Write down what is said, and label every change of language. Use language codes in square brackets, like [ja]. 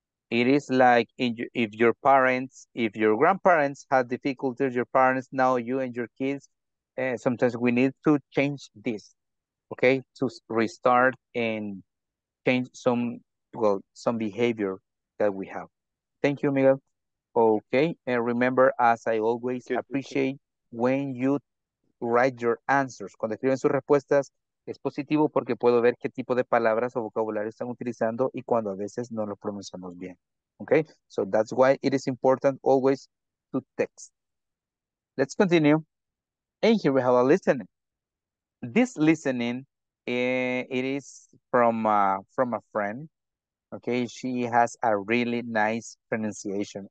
[en] It is like if your grandparents had difficulties, your parents, now you and your kids, sometimes we need to change this, okay? To restart and change some behavior that we have. Thank you, Miguel. Okay, and remember, as I always appreciate when you write your answers. [es] Cuando escriben sus respuestas, es positivo porque puedo ver qué tipo de palabras o vocabulario están utilizando y cuando a veces no lo pronunciamos bien. [en] Okay? So that's why it is important always to text. Let's continue. And here we have a listening. This listening, it is from a friend. Okay, she has a really nice pronunciation.